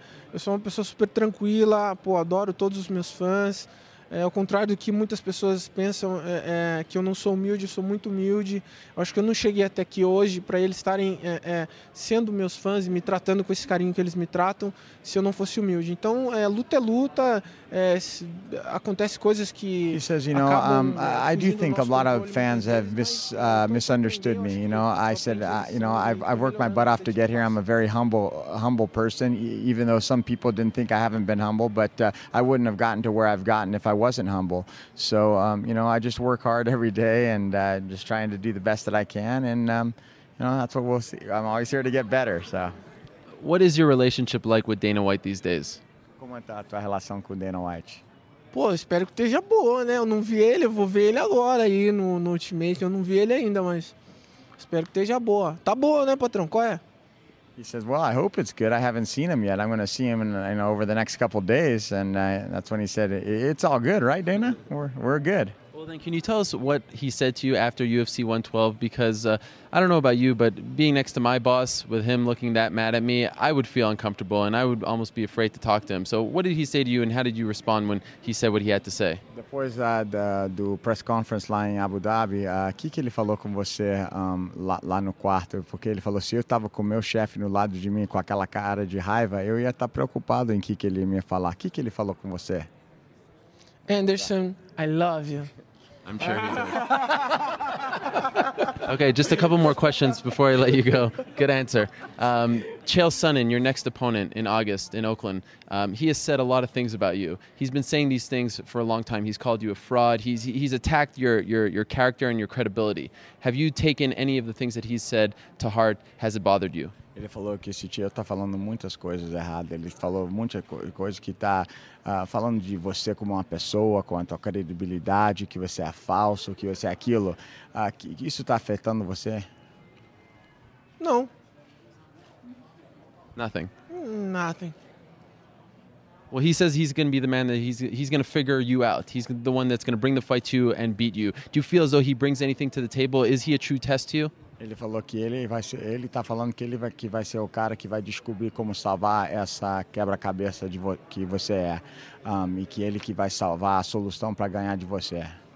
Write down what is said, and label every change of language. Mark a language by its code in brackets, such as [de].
[pt] Eu sou uma pessoa super tranquila, pô, adoro todos os meus fãs. Ao contrário do que muitas pessoas pensam, que eu não sou humilde, eu sou muito humilde. Eu acho que eu não cheguei até aqui hoje para eles estarem sendo meus fãs e me tratando com esse carinho que eles me tratam se eu não fosse humilde. Então, luta é luta. Acontece coisas que [en] he says, you know, I do think a lot of fans have misunderstood me. You know, I said, you know, I've worked my butt off to get here. I'm a very humble person, even though some people didn't think I haven't been humble, but I wouldn't have gotten to where I've gotten if I wasn't humble. So, you know, I just work hard every day and just trying to do the best that I can. And, you know, that's what we'll see. I'm always here to get better. So, what is your relationship like with Dana White these days? [pt] Como está a tua relação com o Dana White? Pô, espero que esteja boa, né? Eu não vi ele, eu vou ver ele agora aí no Ultimate. Eu não vi ele ainda, mas espero que esteja boa. Tá boa, né, patrão? Qual é? [en] He says, well, I hope it's good. I haven't seen him yet. I'm going to see him over the next couple of days. And that's when he said, it's all good, right, Dana? We're good. Well, Well, then, can you tell us what he said to you after UFC 112? Because I don't know about you, but being next to my boss with him looking that mad at me, I would feel uncomfortable, and I would almost be afraid to talk to him. So what did he say to you, and how did you respond when he said what he had to say? [pt] Depois do press conference lá em Abu Dhabi, que ele falou com você lá no quarto? Porque ele falou, se eu estava com meu chefe no lado de mim, com aquela cara de raiva, eu ia estar preocupado em que ele ia falar. Que ele falou com você? [en] Anderson, I love you. I'm sure he does. Okay, just a couple more questions before I let you go. Good answer. Chael Sonnen, your next opponent in August in Oakland, he has said a lot of things about you. He's been saying these things for a long time. He's called you a fraud. He's attacked your character and your credibility. Have you taken any of the things that he's said to heart? Has it bothered you? [pt] Ele falou que esse tio está falando muitas coisas erradas. Ele falou muitas coisas que está falando de você como uma pessoa, com a tua credibilidade, que você é falso, que você é aquilo. Que isso está afetando você? Não. [en] Nothing. Nothing. Well, he says he's going to be the man that he's going to figure you out. He's the one that's going to bring the fight to you and beat you. Do you feel as though he brings anything to the table? Is he a true test to you? [pt] Ele falou que ele tá falando que ele vai ser o cara que vai descobrir como salvar essa quebra-cabeça de que você é, e que ele que vai salvar a solução para ganhar de você.